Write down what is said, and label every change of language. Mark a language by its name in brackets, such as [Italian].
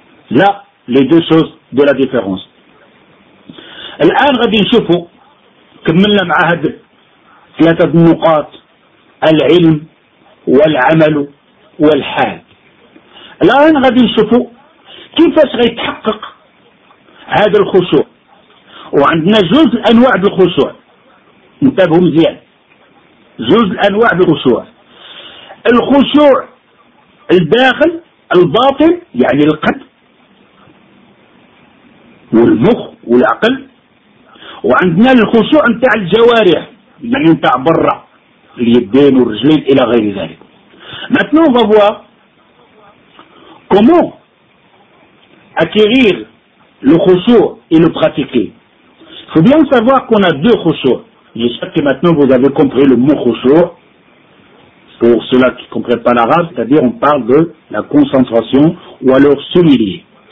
[French] Là, les deux choses de la différence. [Arabic] الآن غادي نشوفوا كملنا مع هاد ثلاثة النقاط العلم والعمل والحال. الآن غادي نشوفوا كيفاش غيتحقق هذا الخشوع. وعندنا جزء أنواع الخشوع. انتبهوا مزيان. جزء أنواع الخشوع. الخشوع الداخل الباطن يعني القلب والمخ والعقل. وعندنا الخشوع نتاع الجوارح يعني نتاع برا اليدين والرجلين الى غير ذلك. [French] Maintenant on va voir comment acquérir le khushu et le pratiquer. Faut bien savoir qu'on a deux khushu. J'espère que maintenant vous avez compris le mot khushu. Pour ceux-là qui ne comprennent pas l'arabe, c'est-à-dire on parle de la concentration ou alors s'humilier.